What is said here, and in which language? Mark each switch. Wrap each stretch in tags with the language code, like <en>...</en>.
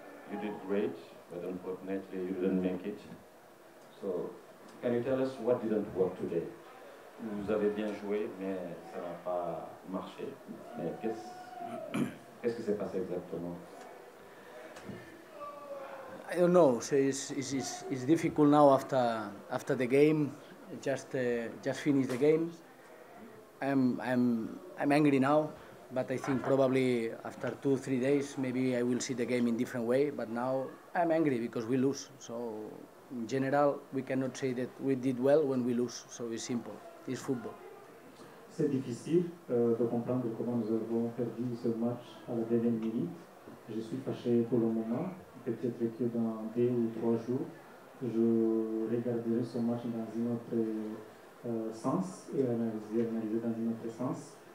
<en>You did great, but unfortunately you didn't make it. So, can you tell us what didn't work today?</en> <fr>Vous avez bien joué, mais ça n'a pas marché. Mais qu'est-ce qui s'est passé exactement?</fr> <en>I don't know. So it's difficult now after the game. Just finished the game. I'm angry now, but I think probably after 2-3 days maybe I will see the game in different way. But now I'm angry because we lose. So in general we cannot say that we did well when we lose. So it's simple. It's football.</en> <fr>C'est difficile de comprendre comment nous avons perdu ce match à la dernière minute. Je suis fâché pour le moment. Peut-être que dans 2 ou 3 jours, je regarderai ce match dans un autre sens et analyser dans un autre sens.</fr>